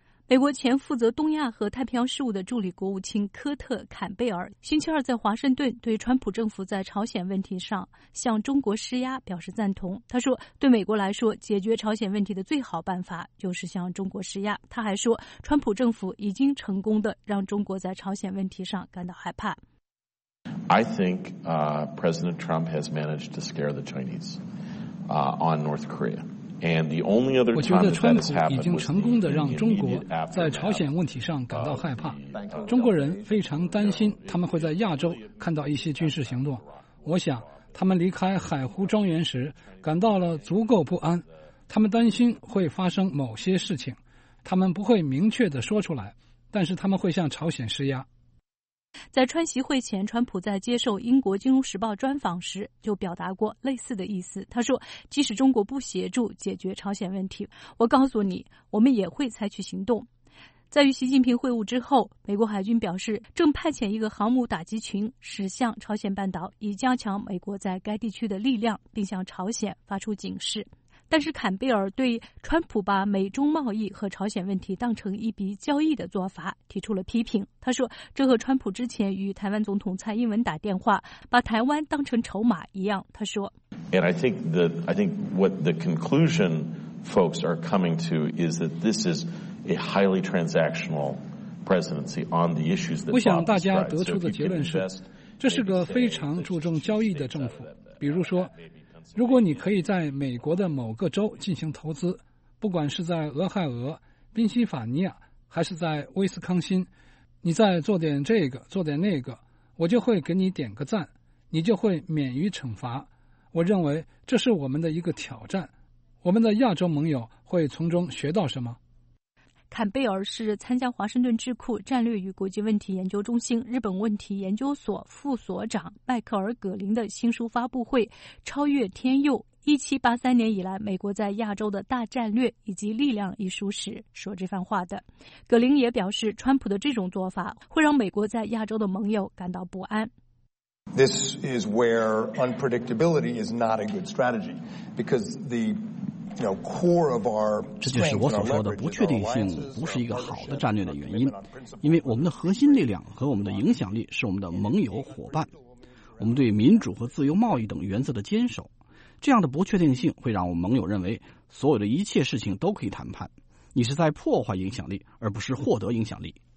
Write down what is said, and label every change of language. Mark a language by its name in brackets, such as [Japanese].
[Chinese] 美国前负责东亚和太平洋事务的助理国务卿科特·坎贝尔星期二在华盛顿对川普政府在朝鲜问题上向中国施压表示赞同。他说，对美国来说，解决朝鲜问题的最好办法就是向中国施压。他还说，川普政府已经成功的让中国在朝鲜问题上感到害怕。 [English] I think, President Trump has managed to scare the Chinese, on North Korea. [Chinese] 我觉得川普已经成功地让中国在朝鲜问题上感到害怕。中国人非常担心他们会在亚洲看到一些军事行动。我想他们离开海湖庄园时感到了足够不安，他们担心会发生某些事情，他们不会明确地说出来，但是他们会向朝鲜施压。在川习会前，川普在接受英国《金融时报》专访时就表达过类似的意思。他说，即使中国不协助解决朝鲜问题，我告诉你，我们也会采取行动。在与习近平会晤之后，美国海军表示正派遣一个航母打击群驶向朝鲜半岛，以加强美国在该地区的力量，并向朝鲜发出警示。但是坎贝尔对川普把美中贸易和朝鲜问题当成一笔交易的做法提出了批评。他说，这和川普之前与台湾总统蔡英文打电话把台湾当成筹码一样。他说， [English] And I think what the conclusion folks are coming to is that this is a highly transactional presidency on the issues that Bob described. [Chinese] 我想大家得出的结论是，这是个非常注重交易的政府。比如说，如果你可以在美国的某个州进行投资，不管是在俄亥俄、宾夕法尼亚还是在威斯康辛，你再做点这个做点那个，我就会给你点个赞，你就会免于惩罚。我认为这是我们的一个挑战，我们的亚洲盟友会从中学到什么。坎贝尔是参加华盛顿智库战略与国际问题研究中心日本问题研究所副所长迈克尔·葛林的新书发布会《超越天佑：1783年以来美国在亚洲的大战略以及力量》一书时说这番话的。葛林也表示，川普的这种做法会让美国在亚洲的盟友感到不安。 [English] This is where unpredictability is not a good strategy, because the core of our [Chinese] 这就是我所说的不确定性不是一个好的战略的原因，因为我们的核心力量和我们的影响力是我们的盟友伙伴，我们对民主和自由贸易等原则的坚守。这样的不确定性会让我们盟友认为所有的一切事情都可以谈判，你是在破坏影响力而不是获得影响力。